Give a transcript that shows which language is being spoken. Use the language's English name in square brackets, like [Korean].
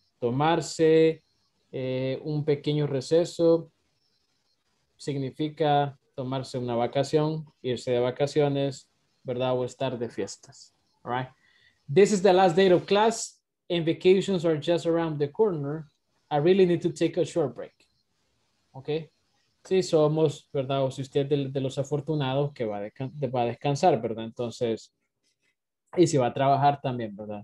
[Spanish] Tomarse un pequeño receso significa tomarse una vacación, irse de vacaciones, ¿verdad? O estar de fiestas, [English] all right? This is the last day of class. And vacations are just around the corner. I really need to take a short break. Okay. [Spanish] Sí, somos, ¿verdad? O si usted es de los afortunados que va a descansar, ¿verdad? Entonces, y si va a trabajar también, ¿verdad?